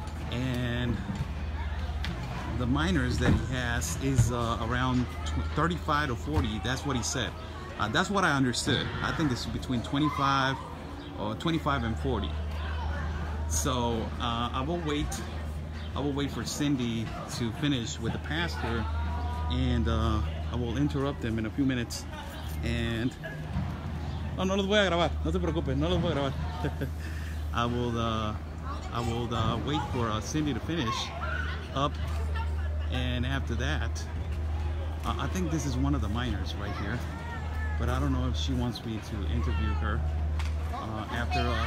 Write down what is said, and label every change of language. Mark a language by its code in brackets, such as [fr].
[en] And the miners that he has is around 35 to 40. That's what he said. That's what I understood. I think it's between 25 and 40. So I will wait for Cindy to finish with the pastor, and I will interrupt them in a few minutes. [es] And no los voy a grabar. No se preocupen, no los voy a grabar. [en] I will wait for Cindy to finish up, and after that, I think this is one of the miners right here, but I don't know if she wants me to interview her after.